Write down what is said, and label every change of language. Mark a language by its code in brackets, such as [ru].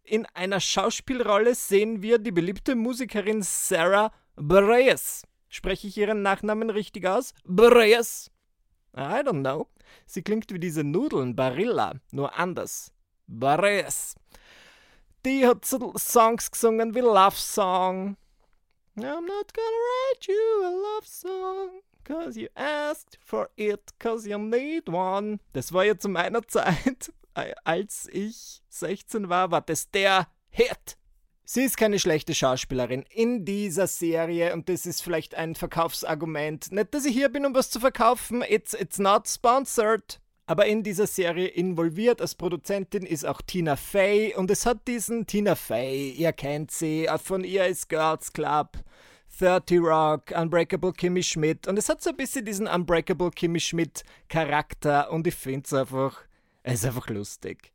[de] In einer Schauspielrolle sehen wir die beliebte Musikerin Sarah Bareilles. Spreche ich ihren Nachnamen richtig aus? Bareilles. [en] I don't know. [de] Sie klingt wie diese Nudeln, Barilla, nur anders. Bareilles. Die hat so Songs gesungen wie Love Song. [en] I'm not gonna write you a love song, cause you asked for it, cause you need one. [de] Das war ja zu meiner Zeit, als ich 16 war, war das der Hit. Sie ist keine schlechte Schauspielerin in dieser Serie, und das ist vielleicht ein Verkaufsargument. Nicht, dass ich hier bin, um was zu verkaufen, [en] it's not sponsored. [de] Aber in dieser Serie involviert als Produzentin ist auch Tina Fey, und es hat diesen Tina Fey, ihr kennt sie, von ihr ist Girls Club, 30 Rock, Unbreakable Kimmy Schmidt, und es hat so ein bisschen diesen Unbreakable Kimmy Schmidt Charakter, und ich finde es ist einfach lustig.